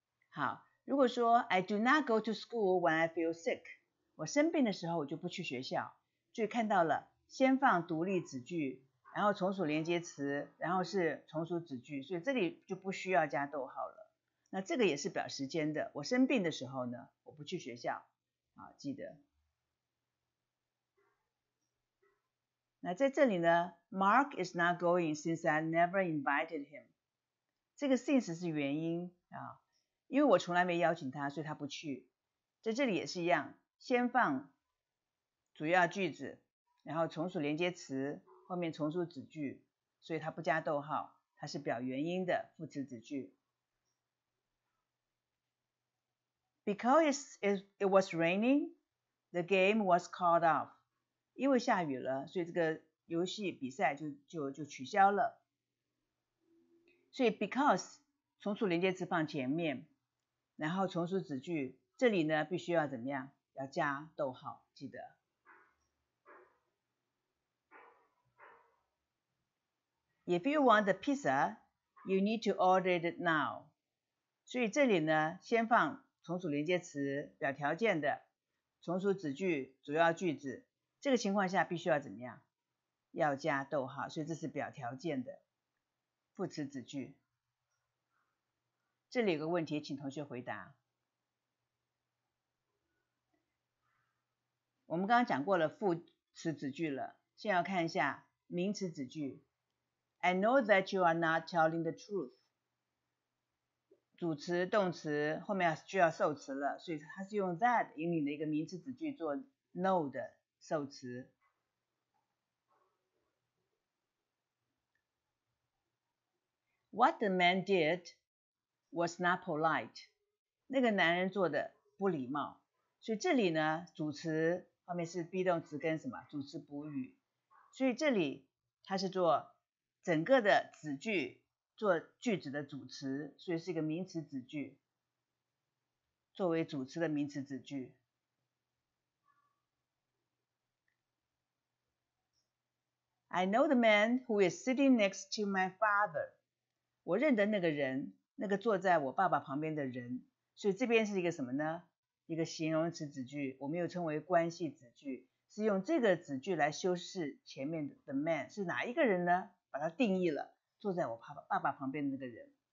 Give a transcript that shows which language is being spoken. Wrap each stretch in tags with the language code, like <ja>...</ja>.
<zh>好，如果说</zh> <en>I do not go to school when I feel sick，</en> <zh>我生病的时候我就不去学校。注意看到了。先放独立子句，然后从属连接词，然后是从属子句，所以这里就不需要加逗号了。那这个也是表时间的，我生病的时候呢，我不去学校，好，记得。那在这里呢</zh> <en>，Mark is not going since I never invited him。</en> <zh>这个 since 是原因啊，因为我从来没邀请他，所以他不去。在这里也是一样，先放主要句子，然后从属连接词，后面从属子句，所以它不加逗号，它是表原因的副词子句。</zh> <en>Because it was raining, the game was called off。</en> <zh>因为下雨了，所以这个游戏比赛就取消了。所以 because 从属连接词放前面，然后从属子句这里呢必须要怎么样？要加逗号，记得。</zh> <en>If you want the pizza, you need to order it now。</en> <zh>所以这里呢，先放从属连接词表条件的，从属子句主要句子。这个情况下必须要怎么样？要加逗号，所以这是表条件的副词子句。这里有个问题，请同学回答。我们刚刚讲过了副词子句了，现在要看一下名词子句。</zh> <en>I know that you are not telling the truth。</en> <zh>主词、动词后面就要受词了，所以它是用 that 引领的一个名词子句做 know 的。受词。</zh> <en>What the man did was not polite。</en> <zh>那个男人做的不礼貌。所以这里呢，主词后面是 be 动词跟什么？主词补语。所以这里它是做整个的子句，做句子的主词，所以是一个名词子句，作为主词的名词子句。</zh> <en>I know the man who is sitting next to my father。</en> <zh>我认得那个人，那个坐在我爸爸旁边的人。所以这边是一个什么呢？一个形容词子句，我们又称为关系子句，是用这个子句来修饰前面的 man 是哪一个人呢？把它定义了，坐在我爸爸旁边的那个人。</zh>